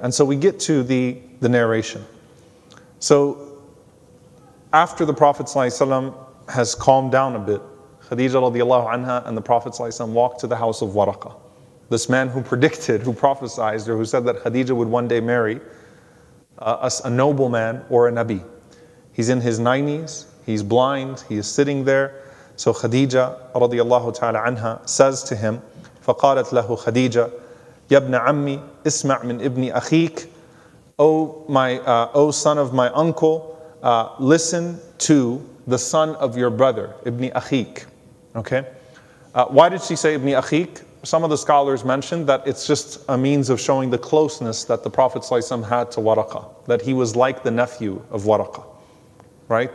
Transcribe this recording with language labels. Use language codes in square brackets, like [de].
[en] And so we get to the narration. So after the Prophet ﷺ has calmed down a bit, Khadija radiallahu anha and the Prophet ﷺ walked to the house of Waraqa. This man who predicted, who prophesied, or who said that Khadija would one day marry a noble man or a Nabi. He's in his 90s, he's blind, he is sitting there. So Khadija radiallahu ta'ala anha says to him, [ar] فَقَالَتْ لَهُ خَدِيجَةَ يَبْنَ عَمِّي اسْمَعْ مِنْ إِبْنِ أَخِيكَ. [en] O son of my uncle, listen to the son of your brother, Ibn Akhik. Okay? Why did she say Ibn Akhik? Some of the scholars mentioned that it's just a means of showing the closeness that the Prophet ﷺ had to Waraqa, that he was like the nephew of Waraqa. Right?